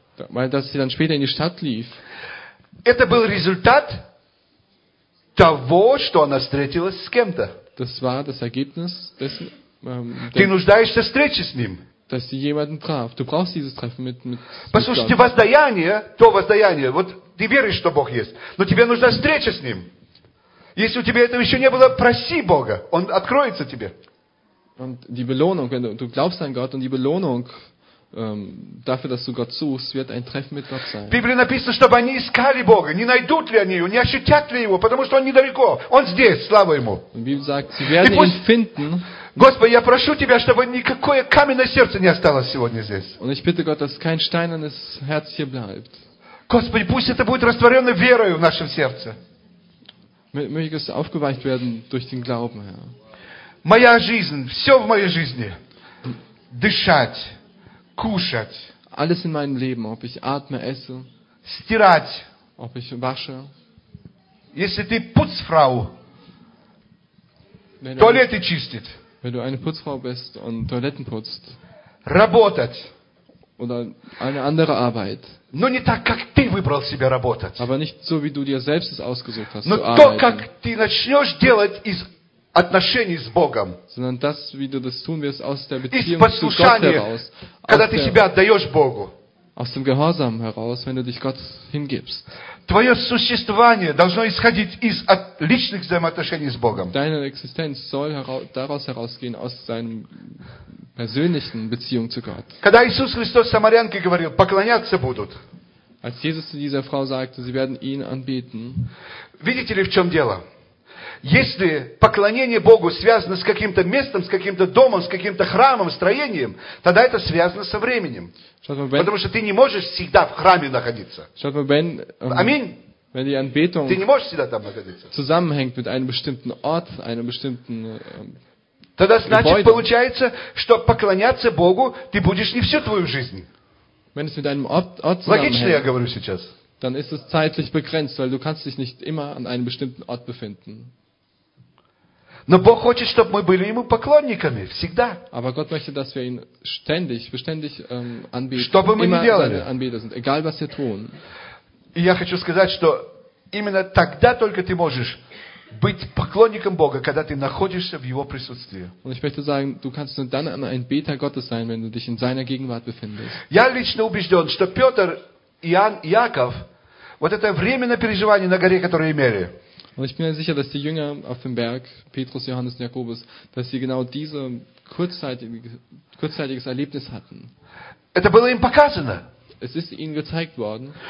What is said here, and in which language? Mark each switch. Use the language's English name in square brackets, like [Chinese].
[German] weil dass sie dann später in die Stadt lief, [Russian] это был результат того, что она встретилась с кем-то. [German] Das war das Ergebnis dessen, [Russian] ты нуждаешься в встрече с ним. [German] Dass sie jemanden traf. Du brauchst dieses Treffen mit [Russian] послушайте, [German] Gott. [Russian] Воздаяние, то воздаяние, вот ты веришь, что Бог есть, но тебе нужна встреча с ним. Если у тебя этого еще не было, проси Бога, он откроется тебе. [German] Und die Belohnung, wenn du glaubst an Gott und die Belohnung dafür, dass du Gott suchst, wird ein Treffen mit Gott sein. [Russian] Библия написано, чтобы они искали Бога, не найдут ли они его, не ощутят ли его, потому что он недалеко, он здесь, слава ему. Библия [German] sagt, sie werden ihn finden. [Russian] Господи, я прошу тебя, чтобы никакое каменное сердце не осталось сегодня здесь. [German] Und ich bitte Gott, dass kein steinernes Herz hier bleibt. [Russian] Господи, пусть это будет растворенной верою в нашем сердце. [German] Möge es aufgeweicht werden durch den Glauben, Herr. [Russian] Моя жизнь, все в моей жизни, дышать. [German] Alles in meinem Leben, ob ich atme, esse, [Russian] стирать, [German] ob ich wasche. [Russian] Если ты [German] Putzfrau, Toilette [Russian] чистит, [German] wenn du eine Putzfrau bist und Toiletten putzt, [Russian] работать, [German] oder eine andere Arbeit, [Russian] но не так, как ты выбрал себе работать, [German] aber nicht so, wie du dir selbst es ausgesucht hast, [Russian] но [German] zu [Russian] то, [German] arbeiten, [Russian] как ты начнешь делать из отношений с Богом. [German] Sondern das, wie du das tun wirst, aus der Beziehung zu Gott heraus. [Russian] Когда ты себя отдаешь Богу. [German] Aus dem Gehorsam heraus, wenn du dich Gott hingibst. [Russian] Твое существование должно исходить из личных взаимоотношений с Богом. [German] Deine Existenz soll daraus herausgehen, aus seinem persönlichen Beziehung zu Gott. [Russian] Когда Иисус Христос самарянке говорил, поклоняться будут. [German] Als Jesus zu dieser Frau sagte, sie werden ihn anbeten. [Russian] Видите ли, в чем дело? Если поклонение Богу связано с каким-то местом, с каким-то домом, с каким-то храмом, строением, тогда это связано со временем. Потому что ты не можешь всегда в храме находиться. Аминь. Ты не можешь всегда там находиться. [German] Zusammenhängt mit einem bestimmten Ort, einem bestimmten, [Russian] тогда значит, [German] Gebäude. [Russian] Получается, что поклоняться Богу ты будешь не всю твою жизнь. [German] Wenn es mit einem Ort [Russian] логично, я говорю сейчас. [German] Dann ist es zeitlich begrenzt, weil du kannst dich nicht immer an einem bestimmten Ort befinden. [Russian] Но Бог хочет, чтобы мы были ему поклонниками всегда. [German] Aber Gott möchte, dass wir ihn ständig, beständig anbeten. [Russian] Чтобы мы [German] immer [Russian] делали. [German] Anbeter sind, egal was wir tun. [Russian] И я хочу сказать, что именно тогда только ты можешь быть поклонником Бога, когда ты находишься в его присутствии. [German] Und ich möchte sagen, du kannst nur dann ein Beter Gottes sein, wenn du dich in seiner Gegenwart befindest. [Russian] Я лично убежден, что Петр, Иоанн, Яков, вот это временное переживание на горе, которое имели. [German] Und ich bin mir sicher, dass die Jünger auf dem Berg, Petrus, Johannes und Jakobus, dass sie genau diese kurzzeitiges Erlebnis hatten. [Russian] Это было им показано. [German] Es ist ihnen gezeigt worden.